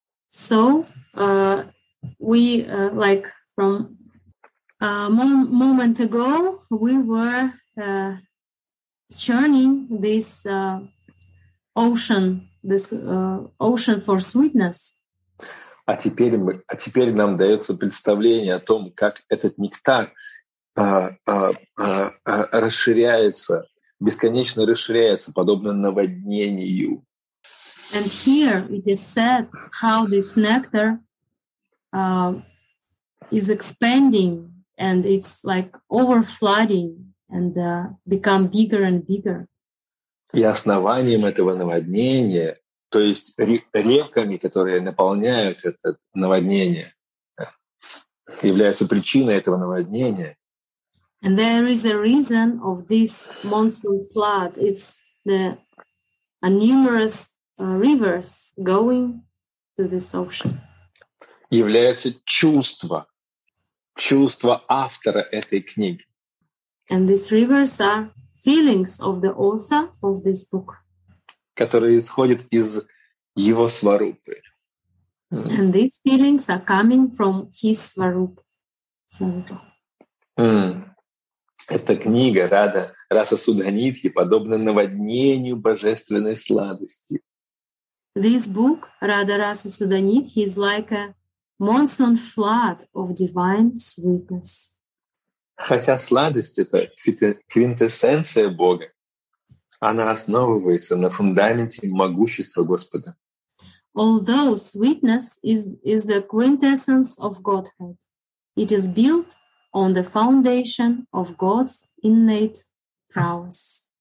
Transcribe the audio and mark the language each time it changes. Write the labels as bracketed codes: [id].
[en] So we, from a moment ago, we were churning this ocean for sweetness. [ru] А теперь нам дается представление о том, как этот нектар расширяется, бесконечно расширяется, подобно наводнению. [en] And here it is said how this nectar is expanding, and it's like overflooding and become bigger and bigger. [ru] И основанием этого наводнения, то есть реками, которые наполняют это наводнение, является причина этого наводнения. [en] And there is a reason of this monsoon flood. It's the numerous rivers going to this ocean. [ru] Является чувство автора этой книги. [en] And these rivers are feelings of the author of this book. [ru] которые исходят из его сварупы. [en] And these feelings are coming from his сварупа. [ru] Эта книга Рада Раса Судганитхи подобна наводнению божественной сладости. [en] This book Rada Rasa Sudhanidhi is like a monsoon flood of divine sweetness. [ru] Хотя сладость это квинтэссенция Бога, она основывается на фундаменте могущества Господа. [en] Although sweetness is the quintessence of Godhead, it is built on the foundation of God's innate prowess.